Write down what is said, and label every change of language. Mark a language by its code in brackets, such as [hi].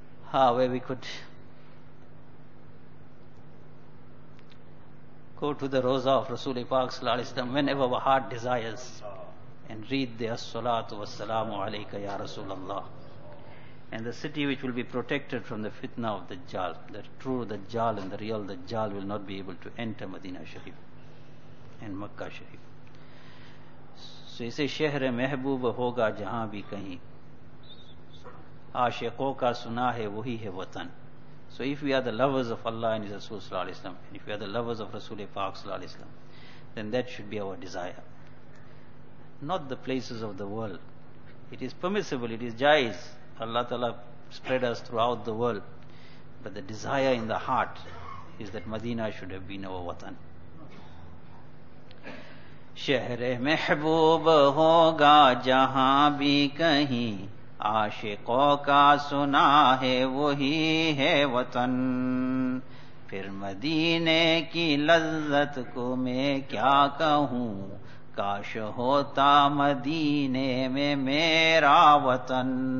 [en] Ha, where we could go to the roza of Rasul Pak Sallallahu Alaihi Wasallam whenever our heart desires and read the as-salatu wa salamu alayka ya Rasulallah. And the city which will be protected from the fitna of Dajjal, the true Dajjal and the real Dajjal will not be able to enter Madina Sharif and Makkah Sharif. So he says, [ur] شہر محبوب ہوگا جہاں بھی کہیں. عاشقوں کا سنا ہے وہی ہے وطن. [en] So if we are the lovers of Allah and His Rasul Sallallahu Alaihi Wasallam, and if we are the lovers of Rasul Pak Sallallahu Alaihi Wasallam, then that should be our desire. Not the places of the world. It is permissible, it is jais. Allah Ta'ala spread us throughout the world. But the desire in the heart is that Madina should have been our watan. [ur] شہر محبوب ہوگا جہاں بھی کہیں عاشقوں کا سنا ہے وہی ہے وطن. پھر مدینے کی لذت کو میں کیا کہوں, کاش ہوتا مدینے میں میرا وطن.